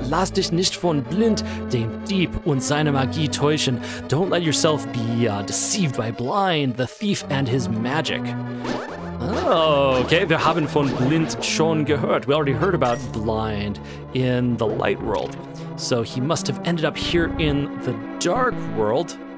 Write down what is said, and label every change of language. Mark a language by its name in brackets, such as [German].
[German] Lass dich nicht von Blind, dem Dieb und seiner Magie täuschen. [English] Don't let yourself be deceived by Blind, the thief and his magic. [German] Oh, okay, wir haben von Blind schon gehört. [English] We already heard about Blind in the light world. So he must have ended up here in the dark world.